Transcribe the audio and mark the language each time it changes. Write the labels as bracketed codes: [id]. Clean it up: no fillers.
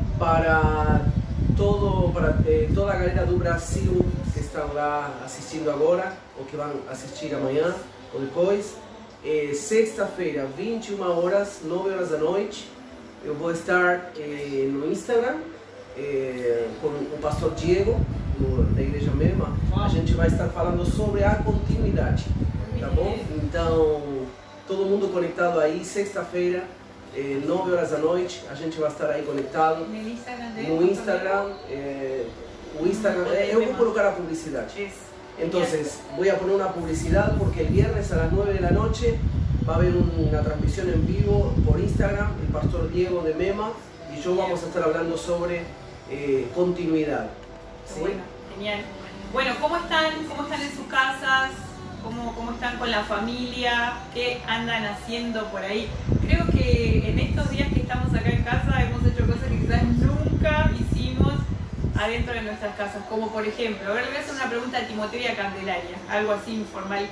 [es] Para toda la galera do Brasil que está asistiendo ahora o que van a asistir a mañana o después, sexta-feira, 21 horas, 9 horas de noche, eu vou estar en Instagram. [pt] Com o pastor Diego, da igreja Mema, a gente vai estar falando sobre a continuidade. Então, todo mundo conectado aí, sexta-feira, 9 horas da noite, a gente vai estar aí conectado. No Instagram. O Instagram, eu vou colocar a publicidade. Então, vou colocar uma publicidade porque o [es] viernes a las [pt] 9 da noite vai haver uma transmissão em vivo por Instagram, o pastor Diego de Mema e eu vamos estar falando sobre continuidade. Sim? [es] Genial. Bueno, ¿cómo están? ¿Cómo están en sus casas? ¿Cómo están con la familia? ¿Qué andan haciendo por ahí? Creo que en estos días que estamos acá en casa hemos hecho cosas que quizás nunca hicimos adentro de nuestras casas. Como por ejemplo, ahora le voy a hacer una pregunta a Timoteo y a Candelaria, algo así informal.